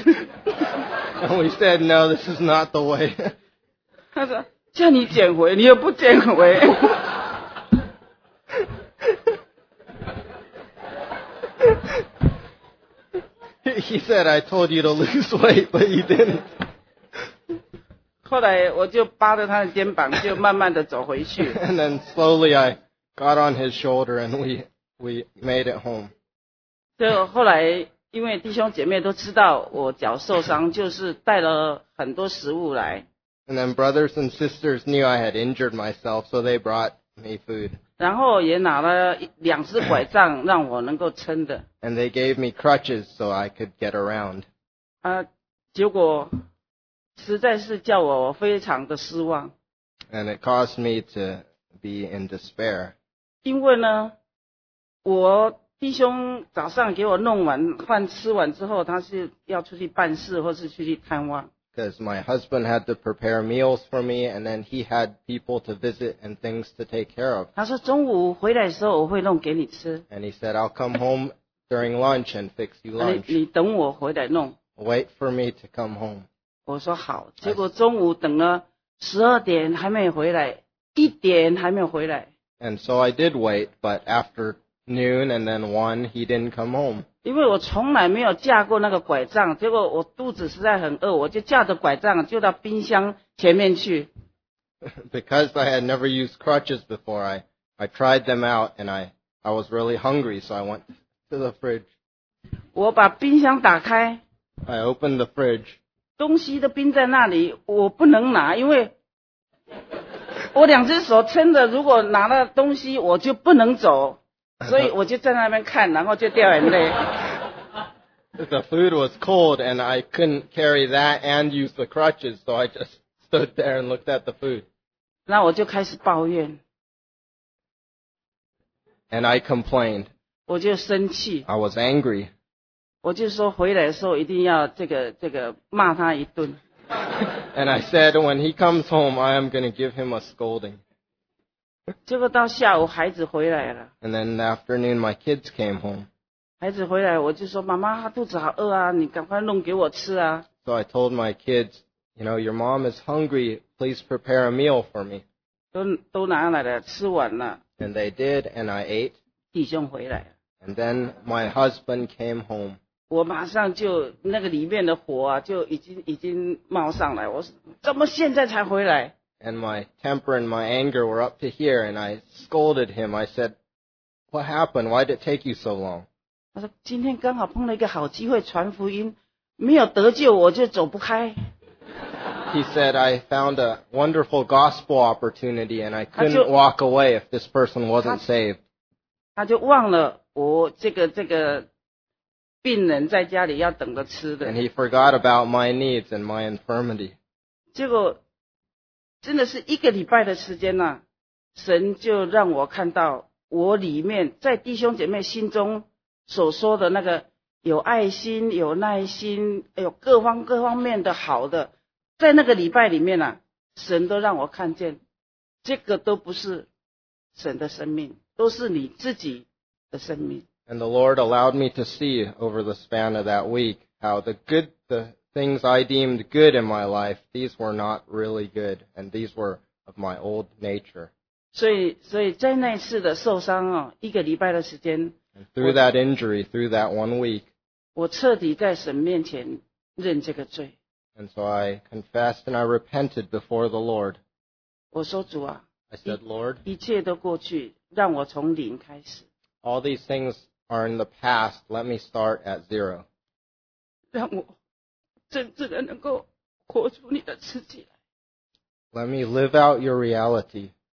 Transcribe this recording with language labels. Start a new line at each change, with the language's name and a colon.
English: And we said, no, this is not the way.
Chinese: 他说叫你捡回，你又不捡回。
English: He said, I told you to lose weight, but you didn't.
Chinese: 后来我就扒着他的肩膀，就慢慢的走回去。
English: And then slowly I got on his shoulder and we made it home.
Chinese: 就后来因为弟兄姐妹都知道我脚受伤，就是带了很多食物来。
English: And then brothers and sisters knew I had injured myself, so they brought me food.
Chinese: 然后也拿了两只拐杖让我能够撑的。
English: And they gave me crutches so I could get around.
Chinese: 结果实在是叫我非常的失望。
English: And it caused me to be in despair.
Chinese: 因为呢，我弟兄早上给我弄完饭吃完之后，他是要出去办事或是出去探望。
English: Because my husband had to prepare meals for me, and then he had people to visit and things to take care of.
Chinese: 他说中午回来的时候我会弄给你吃。
English: And he said I'll come home during lunch and fix you lunch.
Chinese: 你等我回来弄。
English: Wait for me to come home.
Chinese: 我说好。结果中午等了十二点还没回来，一点还没回来。
English: And so I did wait, but after noon and then one, he didn't come home.
Chinese: 因为我从来没有架过那个拐杖，结果我肚子实在很饿，我就架着拐杖就到冰箱前面去。
English: Because I had never used crutches before, I tried them out and I was really hungry, so I went to the fridge.
Chinese: 我把冰箱打开。
English: I opened the fridge.
Chinese: 东西都冰在那里，我不能拿，因为我两只手撑着，如果拿了东西我就不能走，所以我就在那边看，然后就掉眼泪。
English: The food was cold and I couldn't carry that and use the crutches, so I just stood there and looked at the food.
Chinese: 那我就开始抱怨。
English: And I complained.
Chinese: 我就生气。
English: I was angry.
Chinese: 我就说回来的时候一定要这个骂他一顿。
English: And I said, when he comes home, I am going to give him a scolding.
Chinese: 结果到下午孩子回来了。
English: And then in the afternoon, my kids came home.
Chinese: 孩子回来，我就说妈妈，她肚子好饿啊，你赶快弄给我吃啊。
English: So I told my kids, you know, your mom is hungry, please prepare a meal for me.
Chinese: 都拿来了，吃完了。
English: And they did, and I ate.
Chinese: 弟兄回来。
English: And then my husband came home.
Chinese: 我马上就那个里面的火啊就已经冒上来，我怎么现在才回来。
English: And my temper and my anger were up to here and I scolded him. I said, what happened? Why did it take you so long?
Chinese: 他说今天刚好碰了一个好机会传福音，没有得救我就走不开。
English: He said, I found a wonderful gospel opportunity and I couldn't walk away if this person wasn't saved.
Chinese: 他就忘了我这个病人在家里要等着吃的。
English: And he forgot about my needs and my infirmity.
Chinese: 结果真的是一个礼拜的时间啊，神就让我看到我里面在弟兄姐妹心中所说的那个有爱心、有耐心、有各方各方面的好的，在那个礼拜里面啊，神都让我看见，这个都不是神的生命，都是你自己的生命。
English: And the Lord allowed me to see over the span of that week how the things I deemed good in my life, these were not really good, and these were of my old nature.
Chinese: 所以在那次的受伤哦，一个礼拜的时间。
English: And through that injury, through that one week,
Chinese: 我彻底在神面前认这个罪。
English: And so I confessed and I repented before the Lord.
Chinese: 我说主啊，
English: I said, Lord,
Chinese: 一切都过去，让我从零开始。
English: All these things are in the past. Let me start at zero.
Chinese: 让我真正的能够活出你的自己来。
English: Let me live out your reality.